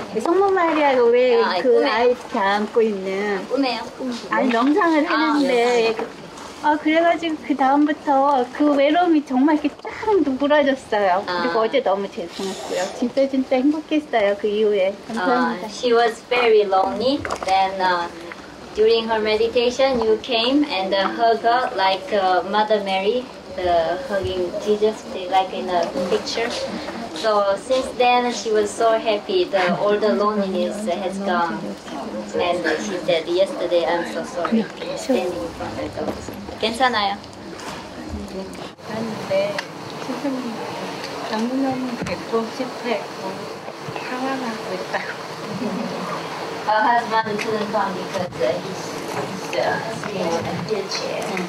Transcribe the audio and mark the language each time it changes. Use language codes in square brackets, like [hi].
[ko] 성모 마리아 왜 그 아이 담고 있는 꿈에요? 아니 명상을 하는데 아 그래가지고 그 다음부터 그 외로움이 정말 이렇게 쫙 누그러졌어요. 그리고 어제 너무 죄송했고요. 진짜 진짜 행복했어요. 그 이후에 감사합니다. [en] She was very lonely. Then during her meditation, you came and hug her like Mother Mary hugging Jesus, like in a picture. So since then, she was so happy. All the loneliness has gone. And she said, "Yesterday, I'm so sorry." Standing in front of the dogs. [ko] 괜찮아요. 근데 선생님 너무너무 뵙고 싶었고 사랑하고 있다고. [en] Her husband couldn't come because he's sitting in a wheelchair.